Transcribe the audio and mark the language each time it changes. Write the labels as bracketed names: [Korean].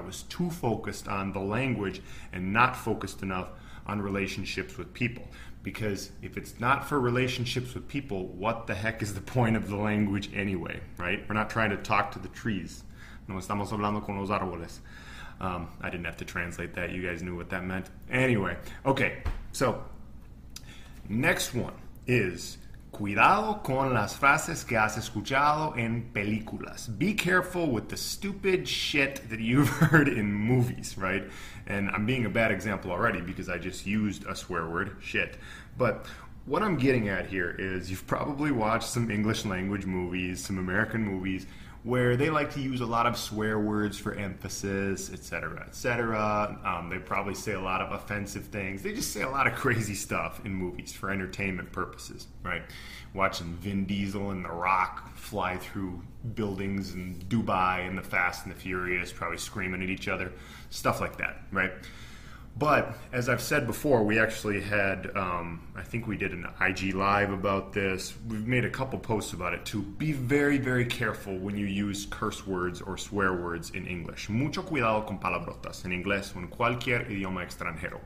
[English] I was too focused on the language and not focused enough on relationships with people. Because if it's not for relationships with people, what the heck is the point of the language anyway, right? We're not trying to talk to the trees. [Spanish] No estamos hablando con los árboles. [English] I didn't have to translate that. You guys knew what that meant. Anyway, okay, so next one is [Spanish] cuidado con las frases que has escuchado en películas. [English] Be careful with the stupid shit that you've heard in movies, right? And I'm being a bad example already because I just used a swear word, shit. But what I'm getting at here is you've probably watched some English language movies, some American movies, where they like to use a lot of swear words for emphasis, etc., etc. They probably say a lot of offensive things. They just say a lot of crazy stuff in movies for entertainment purposes, right? Watching Vin Diesel and The Rock fly through buildings in Dubai and the Fast and the Furious, probably screaming at each other, stuff like that, right? But as I've said before, we actually had, I think we did an IG Live about this. We've made a couple posts about it too. Be very, very careful when you use curse words or swear words in English. [Spanish] Mucho cuidado con palabrotas en inglés o en cualquier idioma extranjero.